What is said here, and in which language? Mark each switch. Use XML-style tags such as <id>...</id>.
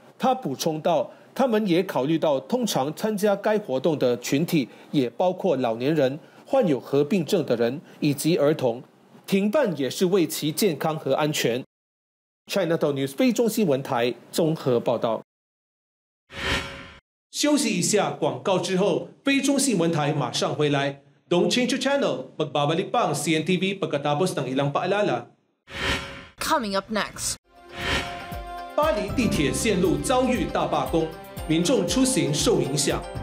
<zh>他补充道，他们也考虑到通常参加该活动的群体也包括老年人、患有合并症的人以及儿童，停办也是为其健康和安全。 Cntv 菲中新闻台综合报道。休息一下广告之后，菲中新闻台马上回来。</zh> <en>Don't change your channel.</en> <tl>Magbabalik pa ang Cntv pagkatapos ng ilang paalala.</tl> <en>Coming up next.</en> <zh>巴黎地铁线路遭遇大罢工，民众出行受影响。</zh>